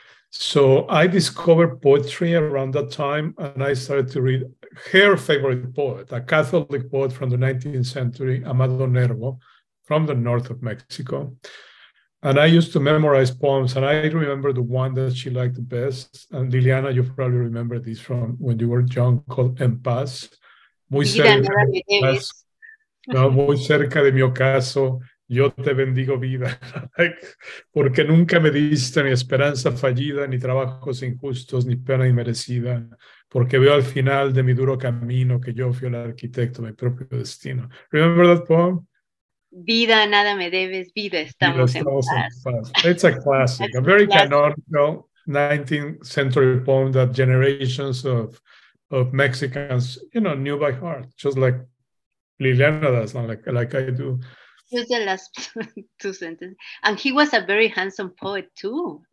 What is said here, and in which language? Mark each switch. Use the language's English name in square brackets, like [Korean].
[English] So I discovered poetry around that time, and I started to read her favorite poet, a Catholic poet from the 19th century, Amado Nervo, from the north of Mexico. And I used to memorize poems, and I remember the one that she liked the best. And Liliana, you probably remember this from when you were young, called En Paz. [Spanish] Muy cerca de mi ocaso, yo te bendigo vida, porque nunca me diste ni esperanza fallida, ni trabajos injustos, ni pena inmerecida, porque veo al final de mi duro camino que yo fui el arquitecto de mi propio destino. [English] Remember that poem? [Spanish] Vida, nada me debes, vida, estamos en paz. [English] It's a classic, a very canonical 19th century poem that generations of Mexicans, you know, knew by heart, just like Liliana does, not like I do. Just the last two sentences. And he was a very handsome poet too.